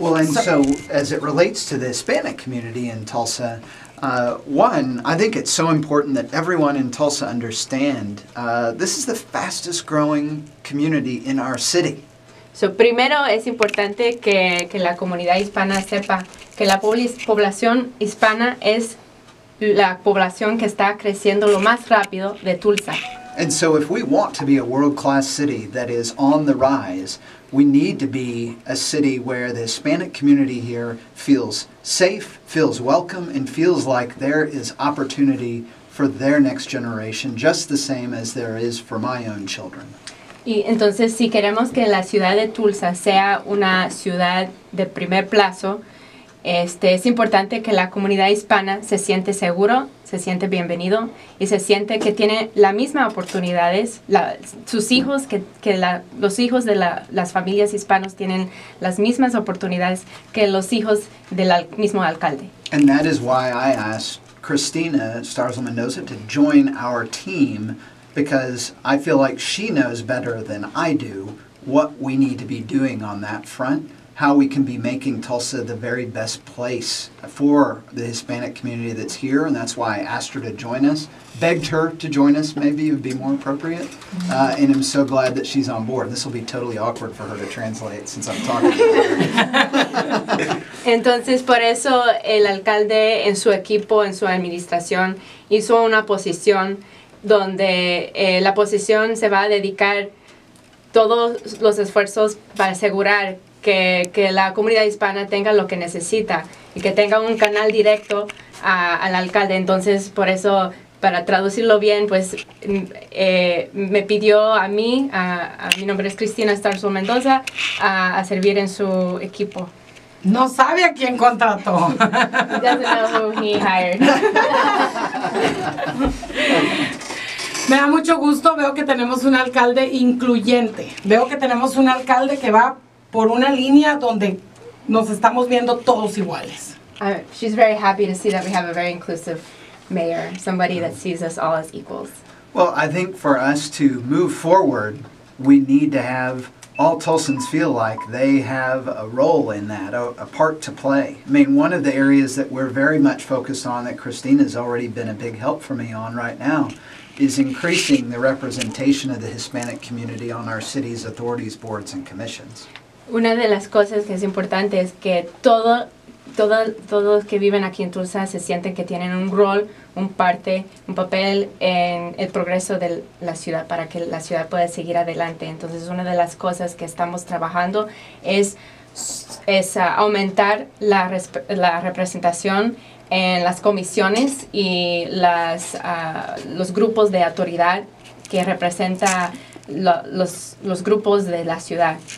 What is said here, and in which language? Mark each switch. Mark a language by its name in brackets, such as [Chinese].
[English] So as it relates to the Hispanic community in Tulsa, one, I think it's so important that everyone in Tulsa understand this is the fastest growing community in our city. [Spanish] So primero es importante que la comunidad hispana sepa que la población hispana es la población que está creciendo lo más rápido de Tulsa. [English] And so if we want to be a world-class city that is on the rise, we need to be a city where the Hispanic community here feels safe, feels welcome, and feels like there is opportunity for their next generation, just the same as there is for my own children. [Spanish] Y entonces, si queremos que la ciudad de Tulsa sea una ciudad de primer plazo, es importante que la comunidad hispana se siente seguro, se siente bienvenido y se siente que tiene las mismas oportunidades, sus hijos, los hijos de las familias hispanos tienen las mismas oportunidades que los hijos del mismo alcalde. [English] And that is why I asked Christina Starzl Mendoza to join our team, because I feel like she knows better than I do what we need to be doing on that front. How we can be making Tulsa the very best place for the Hispanic community that's here, and that's why I asked her to join us, begged her to join us, maybe it would be more appropriate, and I'm so glad that she's on board. This will be totally awkward for her to translate since I'm talking to her. [Spanish] Entonces, por eso el alcalde en su equipo, en su administración, hizo una posición donde la posición se va a dedicar todos los esfuerzos para asegurar que la comunidad hispana tenga lo que necesita y que tenga un canal directo al alcalde. Entonces, por eso, para traducirlo bien, pues me pidió a mí, a mi nombre es Cristina Starzl Mendoza, a servir en su equipo. No sabe a quién contrató. [English] He doesn't know who he hired. [Spanish] Me da mucho gusto, veo que tenemos un alcalde incluyente. Veo que tenemos un alcalde que va por una línea donde nos estamos viendo todos iguales. [English] She's very happy to see that we have a very inclusive mayor, somebody that sees us all as equals. Well, I think for us to move forward, we need to have all Tulsans feel like they have a role in that, a part to play. I mean, one of the areas that we're very much focused on that Christina's already been a big help for me on right now is increasing the representation of the Hispanic community on our city's authorities, boards, and commissions. [Spanish] Una de las cosas que es importante es que todos los que viven aquí en Tulsa se sienten que tienen un rol, un papel en el progreso de la ciudad para que la ciudad pueda seguir adelante. Entonces, una de las cosas que estamos trabajando es aumentar la representación en las comisiones y los grupos de autoridad que representan los grupos de la ciudad.